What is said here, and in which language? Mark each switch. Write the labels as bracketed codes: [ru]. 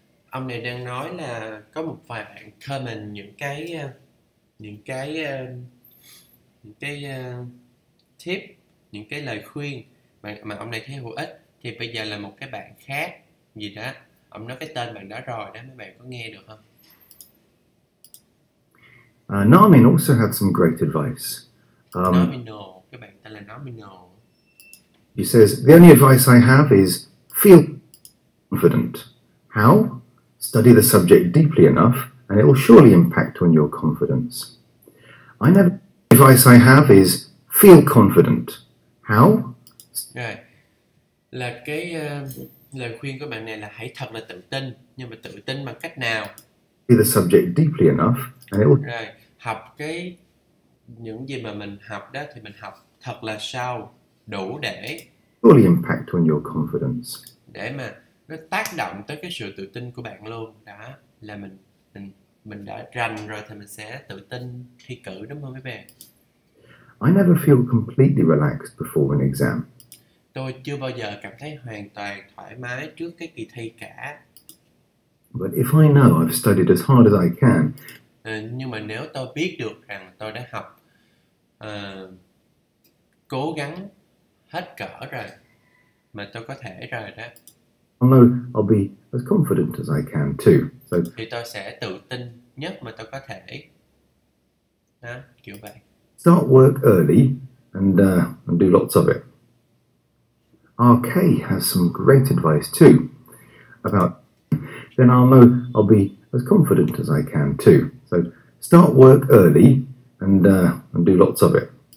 [vi] Ông này đang nói là có một vài bạn comment những cái tip, những cái lời khuyên mà ông này thấy hữu ích, thì bây giờ là một cái bạn khác gì đó. Ông nói cái tên bạn đó rồi đó, mấy bạn có nghe được không? [en] Namin also had some great advice. [vi] Nominal, cái bạn tên là Nominal. [en] He says, the only advice I have is feel confident. How? Study the subject deeply enough and it will surely impact on your confidence. I never... The advice I have is feel confident. How? [vi] Là cái... lời khuyên của bạn này là hãy thật là tự tin, nhưng mà tự tin bằng cách nào? [en] The subject deeply enough and it will... [vi] Rồi, học cái những gì mà mình học đó thì mình học thật là sâu, đủ để [en] fully impact on your confidence. [vi] Để mà nó tác động tới cái sự tự tin của bạn luôn. Đó là mình đã rành rồi thì mình sẽ tự tin thi cử, đúng không mấy bạn? [en] I never feel completely relaxed before an exam. [vi] Tôi chưa bao giờ cảm thấy hoàn toàn thoải mái trước cái kỳ thi cả. [en] But if I know I've studied as hard as I can. [vi] Nhưng mà nếu tôi biết được rằng tôi đã học cố gắng hết cỡ rồi mà tôi có thể rồi đó. [en] I'll be as confident as I can too. So, [vi] thì tôi sẽ tự tin nhất mà tôi có thể. Đó, kiểu vậy. [en] Start work early and do lots of it. RK has some great advice too about then I'll be as confident as I can too. So start work early and do lots of it.